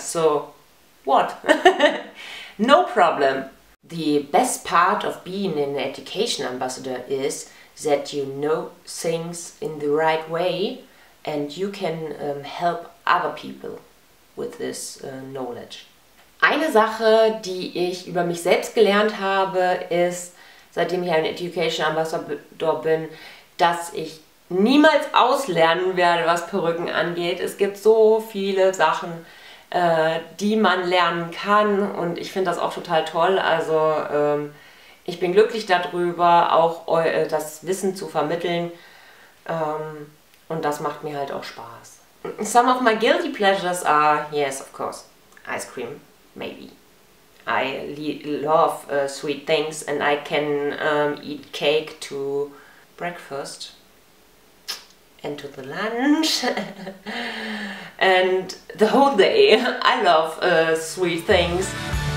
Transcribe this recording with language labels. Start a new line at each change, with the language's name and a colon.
English: So what? No problem. The best part of being an education ambassador is that you know things in the right way, and you can help other people with this knowledge.
German: Eine Sache, die ich über mich selbst gelernt habe, ist, seitdem ich ein Education Ambassador bin, dass ich niemals auslernen werde, was Perücken angeht. Es gibt so viele Sachen, die man lernen kann, und ich finde das auch total toll. Also ich bin glücklich darüber, auch das Wissen zu vermitteln, und das macht mir halt auch Spaß.
English: Some of my guilty pleasures are, yes, of course, ice cream, maybe. I love sweet things, and I can eat cake to breakfast and to the lunch and the whole day. I love sweet things.